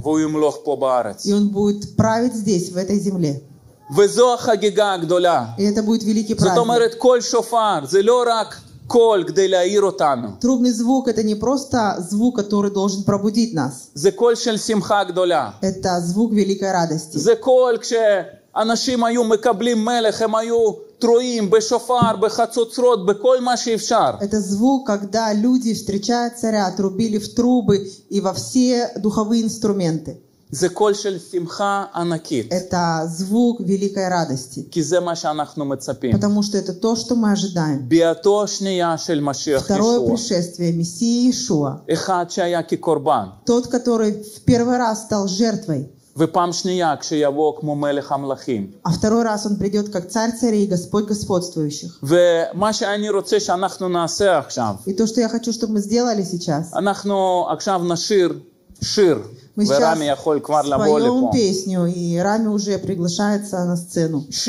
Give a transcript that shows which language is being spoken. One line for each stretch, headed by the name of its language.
Russian: И он будет править здесь, в этой земле. И это будет великий праздник. Трубный звук — это не просто звук, который должен пробудить нас. Это звук великой радости.
Hebrew: אנשים היו מקבלים מלך, הם היו תרועים בשופר, בחצוצרות, בכל מה שאפשר.
Russian: Это звук, когда люди встречают царя, трубили в трубы и во все духовые инструменты.
Hebrew: זה קול של שמחה ענקית.
Russian: Это звук великой радости.
Hebrew: כי זה מה שאנחנו מצפים.
Russian: Потому что это то, что мы ожидаем.
Hebrew: ביאתו השנייה של משיח ישוע.
Russian: Второе пришествие Мессии Иешуа.
Hebrew: אחד שהיה כקורבן.
Russian: Тот, который в первый раз стал жертвой.
Hebrew: ופעם שנייה, כשיבוא כמו מלך המלכים.
Russian: А второй раз он придет как царь царей, Господь господствующих.
Hebrew: ומה שאני רוצה שאנחנו נעשה עכשיו.
Russian: И то, что я хочу, чтобы мы сделали сейчас.
Hebrew: אנחנו עכשיו נשיר שיר.
Russian: Мы сейчас споем песню, и Рами уже приглашается на сцену.